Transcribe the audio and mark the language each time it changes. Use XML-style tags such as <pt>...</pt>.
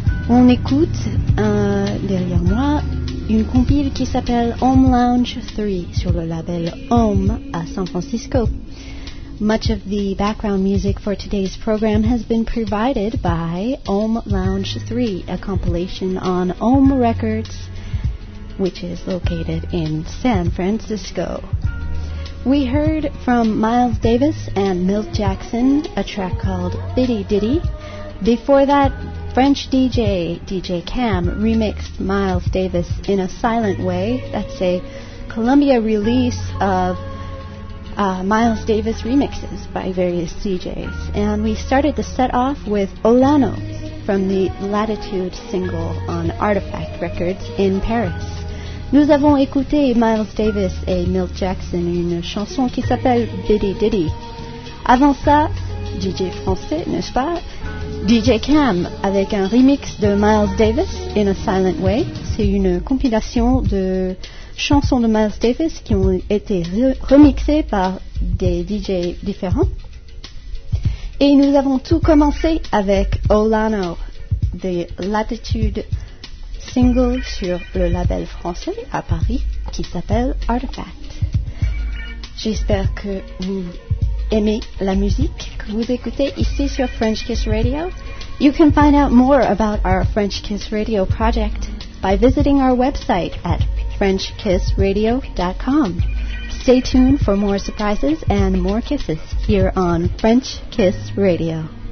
<fr>On écoute, derrière moi, une compile qui s'appelle Home Lounge 3 sur le label Home à San Francisco.</fr> <en>Much of the background music for today's program has been provided by Home Lounge 3, a compilation on Home Records, which is located in San Francisco. We heard from Miles Davis and Milt Jackson a track called Biddy Diddy. Before that, French DJ, DJ Cam, remixed Miles Davis in a silent way. That's a Columbia release of Miles Davis remixes by various DJs. And we started the set off with Olano from the Latitude single on Artifact Records in Paris.</en> <fr>Nous avons écouté Miles Davis et Milt Jackson une chanson qui s'appelle Biddy Diddy. Avant ça, DJ français, n'est-ce pas? DJ Cam avec un remix de Miles Davis in a silent way. C'est une compilation de chansons de Miles Davis qui ont été remixées par des DJ différents. Et nous avons tout commencé avec Olano, The Latitude single sur le label français à Paris qui s'appelle Artifact. J'espère que vous aimez la musique que vous écoutez ici sur French Kiss Radio.</fr> <en>You can find out more about our French Kiss Radio project by visiting our website at FrenchKissRadio.com. Stay tuned for more surprises and more kisses here on French Kiss Radio.</en>